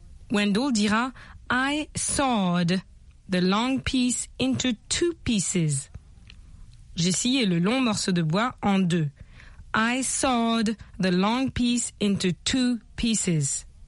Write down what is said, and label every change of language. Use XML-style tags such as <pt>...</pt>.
<en>Wendell</en> <fr>dira,</fr> <en>I sawed the long piece into two pieces.</en> <fr>J'ai scié le long morceau de bois en deux.</fr> <en>I sawed the long piece into two pieces.</en>